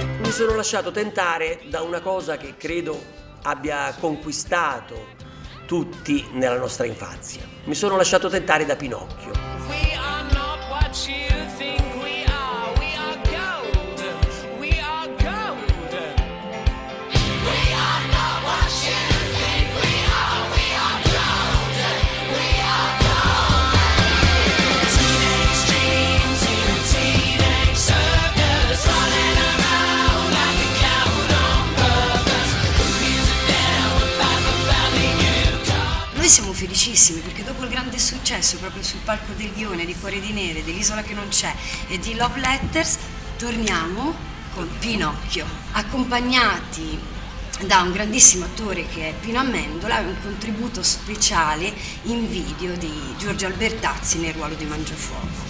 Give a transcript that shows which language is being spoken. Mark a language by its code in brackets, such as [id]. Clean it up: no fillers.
[it] sono lasciato tentare da una cosa che credo abbia conquistato tutti nella nostra infanzia. Mi sono lasciato tentare da Pinocchio. [en] We are not what you think we are. We are gold. We are gold. We are not what you think we are. We are gold. We are gold. Teenage dreams in a teenage circus, running around like a coward on purpose. Who gives a damn about the family you've got? [it] Noi siamo felicissimi perché dopo il grande successo proprio sul palco del Lione, di Cuore di Neve, dell'Isola che non c'è e di Love Letters, torniamo con Pinocchio, accompagnati da un grandissimo attore che è Pino Amendola e un contributo speciale in video di Giorgio Albertazzi nel ruolo di Mangiafuoco.